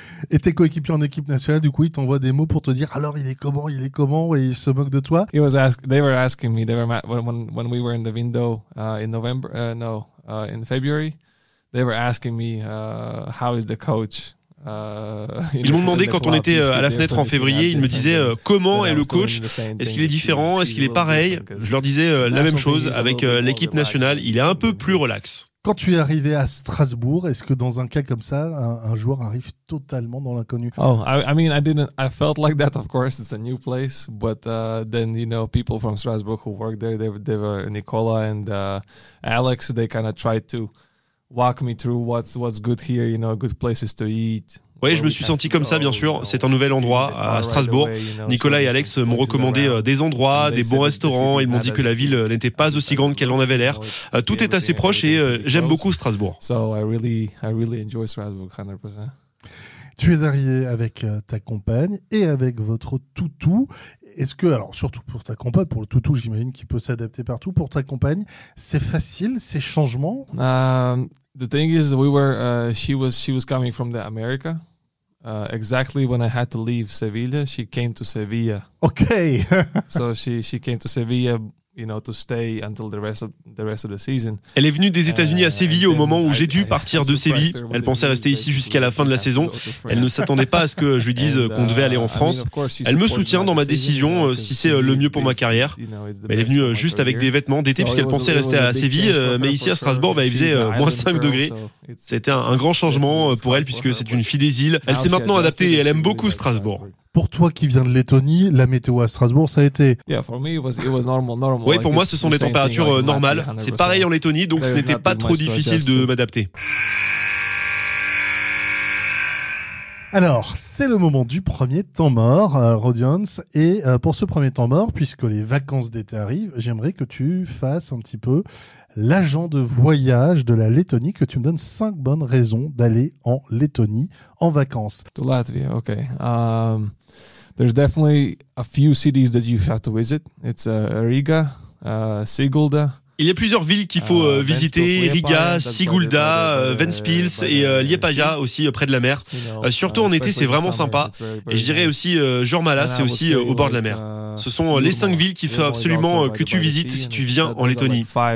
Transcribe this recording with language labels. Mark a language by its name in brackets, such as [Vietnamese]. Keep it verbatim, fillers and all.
[French] Et tes coéquipiers en équipe nationale, du coup, ils t'envoient des mots pour te dire alors il est comment, il est comment, et ils se moquent de toi. [English] He was asked, they were asking me, they were when when we were in the window uh, in November, uh, no, uh, in February, they were asking me uh, how is the coach. [French] Ils m'ont demandé quand on était à la fenêtre en février, ils me disaient comment est le coach, est-ce qu'il est différent, est-ce qu'il est pareil? Je leur disais la même chose, avec l'équipe nationale, il est un peu plus relax. Quand tu es arrivé à Strasbourg, est-ce que dans un cas comme ça, un, un joueur arrive totalement dans l'inconnu? [English] Oh, I, I mean, I didn't, I felt like that, of course, it's a new place, but uh, then, you know, people from Strasbourg who work there, they, they were Nicola and uh, Alex, they kind of tried to walk me through what's what's good here, you know, good places to eat. [French] Oui, je me suis senti comme ça, bien sûr. C'est un nouvel endroit à Strasbourg. Nicolas et Alex m'ont recommandé des endroits, des bons restaurants. Ils m'ont dit que la ville n'était pas aussi grande qu'elle en avait l'air. Tout est assez proche et j'aime beaucoup Strasbourg. [English] So I really, I really enjoy Strasbourg, one hundred percent. [French] Tu es arrivé avec ta compagne et avec votre toutou. Est-ce que, alors surtout pour ta compagne, pour le toutou, j'imagine qu'il peut s'adapter partout. Pour ta compagne, c'est facile ces changements? [English] Um, the thing is, we were, uh, she was, she was coming from the America. Uh, exactly when I had to leave Sevilla, she came to Sevilla. Okay. So she, she came to Sevilla. You know, to stay until the rest of the rest of the season. [French] Elle est venue des États-Unis à Séville au moment où j'ai dû partir de Séville. Elle pensait rester ici jusqu'à la fin de la saison. Elle ne s'attendait pas à ce que je lui dise qu'on devait aller en France. Elle me soutient dans ma décision si c'est le mieux pour ma carrière. Mais elle est venue juste avec des vêtements d'été puisqu'elle pensait rester à Séville. Mais ici à Strasbourg, bah, il faisait moins cinq degrés. C'était un, un grand changement pour elle puisque c'est une fille des îles. Elle s'est maintenant adaptée et elle aime beaucoup Strasbourg. Pour toi qui viens de Lettonie, la météo à Strasbourg, ça a été... [English] Yeah, for me, it was, it was normal, normal. [French] Oui, pour moi, ce sont des températures normales. C'est pareil en Lettonie, donc ce n'était pas trop difficile de m'adapter. Alors, c'est le moment du premier temps mort, euh, Rodiance. Et euh, pour ce premier temps mort, puisque les vacances d'été arrivent, j'aimerais que tu fasses un petit peu l'agent de voyage de la Lettonie, que tu me donnes cinq bonnes raisons d'aller en Lettonie en vacances. [English] To Latvia, ok. Um, there's definitely a few cities that you have to visit. It's uh, Riga, uh, Sigulda. [French] Il y a plusieurs villes qu'il faut uh, visiter, Riga, Sigulda, uh, Ventspils et uh, Liepaja aussi uh, près de la mer. Uh, surtout en été, c'est vraiment sympa. Et je dirais aussi uh, Jormala, c'est aussi uh, au bord de la mer. Ce sont les cinq villes qu'il faut absolument que tu visites si tu viens en Lettonie.